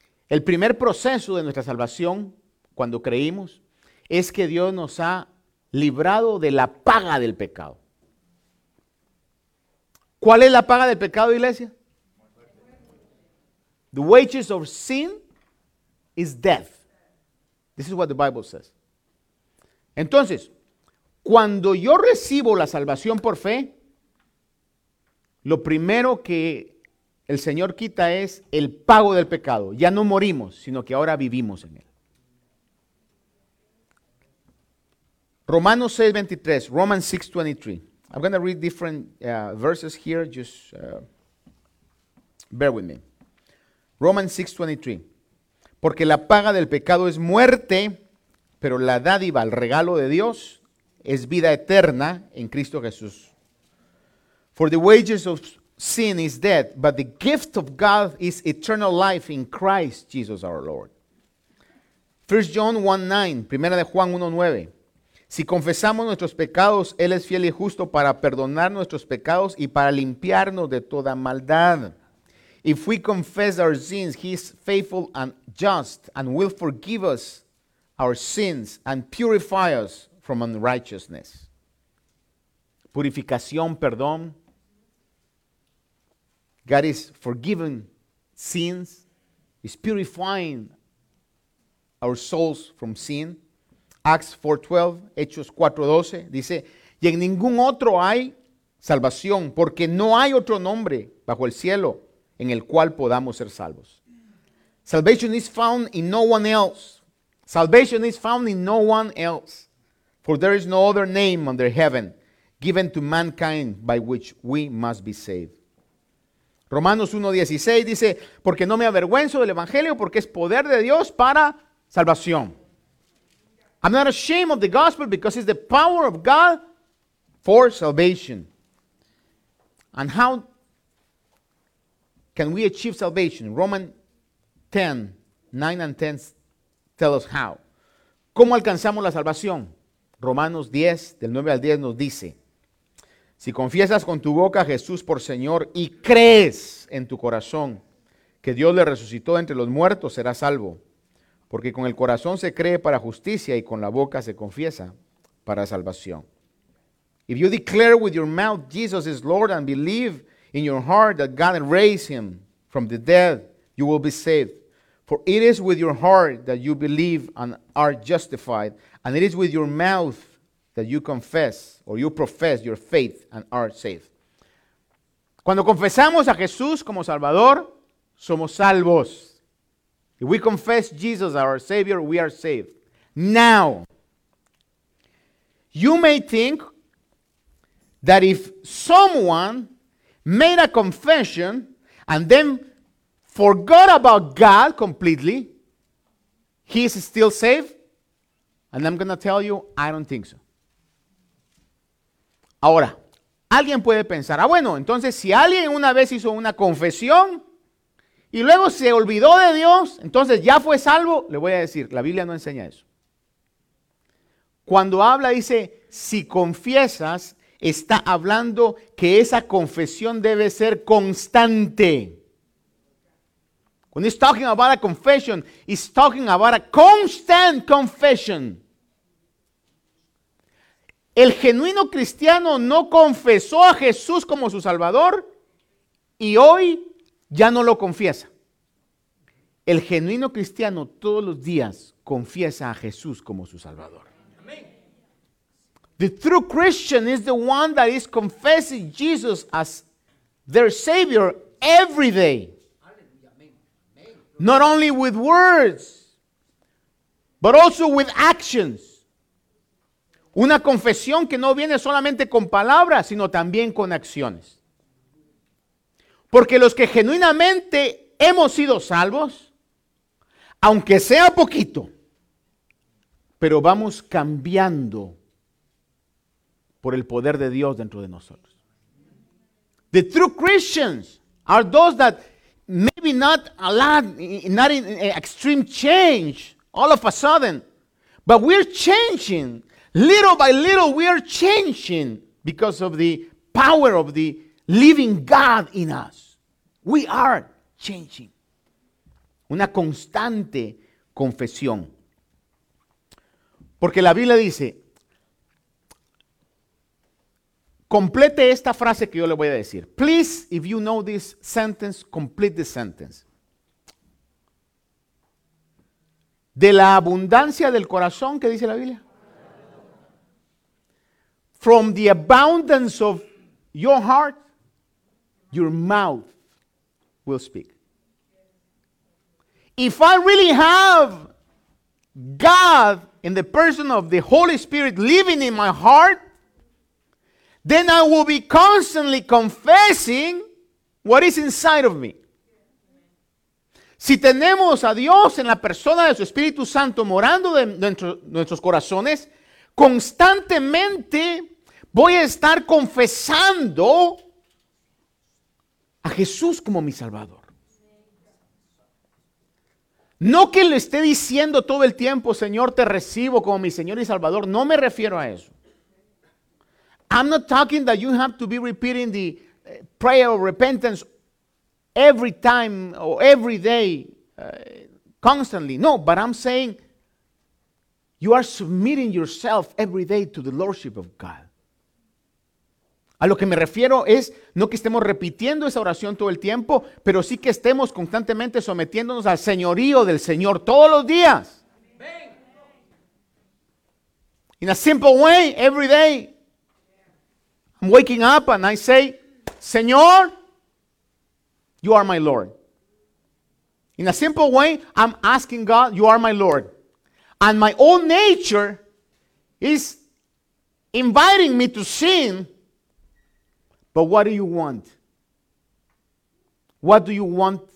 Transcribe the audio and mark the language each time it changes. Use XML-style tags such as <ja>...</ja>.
<es>El primer proceso de nuestra salvación, cuando creímos, es que Dios nos ha librado de la paga del pecado. ¿Cuál es la paga del pecado, iglesia?</es> <en>The wages of sin is death. This is what the Bible says.</en> <es>Entonces, cuando yo recibo la salvación por fe, lo primero que el Señor quita es el pago del pecado. Ya no morimos, sino que ahora vivimos en Él.</es> <en>Romanos 6:23, Romans 6:23. I'm going to read different verses here. Just bear with me. Romans 6:23.</en> <es>Porque la paga del pecado es muerte, pero la dádiva, el regalo de Dios, es vida eterna en Cristo Jesús.</es> <en>For the wages of sin is death, but the gift of God is eternal life in Christ Jesus our Lord. 1 John 1:9, 1 Juan 1:9.</en> <es>Si confesamos nuestros pecados, Él es fiel y justo para perdonar nuestros pecados y para limpiarnos de toda maldad.</es> <en>If we confess our sins, He is faithful and just and will forgive us our sins and purify us from unrighteousness.</en> <es>purificación, perdón.</es> <en>God is forgiving sins. He's purifying our souls from sin.</en> <es>Acts 4:12, Hechos 4:12, dice, y en ningún otro hay salvación, porque no hay otro nombre bajo el cielo en el cual podamos ser salvos.</es> <en>Salvation is found in no one else. Salvation is found in no one else. For there is no other name under heaven given to mankind by which we must be saved.</en> <es>Romanos 1:16 dice, porque no me avergüenzo del evangelio, porque es poder de Dios para salvación.</es> <en>I'm not ashamed of the gospel because it's the power of God for salvation. And how can we achieve salvation? Romans 10:9-10 tell us how.</en> <es>¿Cómo alcanzamos la salvación? Romanos 10:9-10 nos dice, si confiesas con tu boca a Jesús por Señor y crees en tu corazón que Dios le resucitó entre los muertos, serás salvo. Porque con el corazón se cree para justicia y con la boca se confiesa para salvación.</es> <en>If you declare with your mouth Jesus is Lord and believe in your heart that God raised him from the dead, you will be saved. For it is with your heart that you believe and are justified, and it is with your mouth that you confess or you profess your faith and are saved.</en> <es>Cuando confesamos a Jesús como Salvador, somos salvos.</es> <en>If we confess Jesus as our Savior, we are saved. Now, you may think that if someone made a confession and then forgot about God completely, he is still saved. And I'm going to tell you, I don't think so.</en> <es>Ahora, alguien puede pensar, ah, bueno, entonces si alguien una vez hizo una confesión y luego se olvidó de Dios, entonces ya fue salvo. Le voy a decir, la Biblia no enseña eso. Cuando habla, dice, si confiesas, está hablando que esa confesión debe ser constante.</es> <en>When he's talking about a confession, he's talking about a constant confession.</en> <es>El genuino cristiano no confesó a Jesús como su Salvador y hoy ya no lo confiesa. El genuino cristiano todos los días confiesa a Jesús como su Salvador.</es> <en>The true Christian is the one that is confessing Jesus as their Savior every day. Not only with words, but also with actions.</en> <es>Una confesión que no viene solamente con palabras, sino también con acciones. Porque los que genuinamente hemos sido salvos, aunque sea poquito, pero vamos cambiando por el poder de Dios dentro de nosotros.</es> <en>The true Christians are those that maybe not a lot, not in extreme change all of a sudden, but we're changing. Little by little, we are changing because of the power of the living God in us. We are changing.</en> <es>Una constante confesión. Porque la Biblia dice, complete esta frase que yo le voy a decir.</es> <en>Please, if you know this sentence, complete the sentence.</en> <es>De la abundancia del corazón, ¿qué dice la Biblia?</es> <en>From the abundance of your heart, your mouth will speak. If I really have God in the person of the Holy Spirit living in my heart, then I will be constantly confessing what is inside of me.</en> <es>Si tenemos a Dios en la persona de su Espíritu Santo morando dentro de nuestros corazones, constantemente voy a estar confesando a Jesús como mi Salvador. No que le esté diciendo todo el tiempo, Señor, te recibo como mi Señor y Salvador. No me refiero a eso.</es> <en>I'm not talking that you have to be repeating the prayer of repentance every time or every day, constantly. No, but I'm saying you are submitting yourself every day to the Lordship of God.</en> <es>A lo que me refiero es no que estemos repitiendo esa oración todo el tiempo, pero sí que estemos constantemente sometiéndonos al señorío del Señor todos los días.</es> <en>In a simple way, every day, I'm waking up and I say, Señor, you are my Lord. In a simple way, I'm asking God, you are my Lord. And my own nature is inviting me to sin. But what do you want? What do you want?</en>